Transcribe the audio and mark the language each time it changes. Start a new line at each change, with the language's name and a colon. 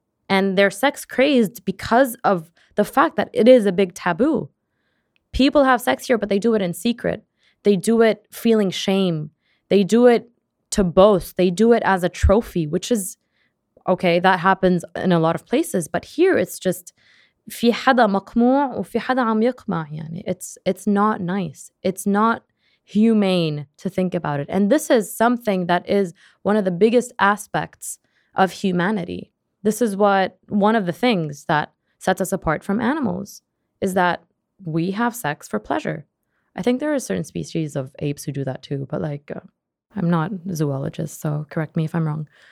English: And they're sex crazed because of the fact that it is a big taboo. People have sex here, but they do it in secret. They do it feeling shame. They do it to boast. They do it as a trophy, which is, okay, that happens in a lot of places. But here it's just,
Arabic: في حدا مقموع وفي حدا عم يقمع يعني.
English: It's not nice. It's not humane to think about it. And this is something that is one of the biggest aspects of humanity. This is what one of the things that sets us apart from animals is that we have sex for pleasure. I think there are certain species of apes who do that too, but like I'm not a zoologist, so correct me if I'm wrong.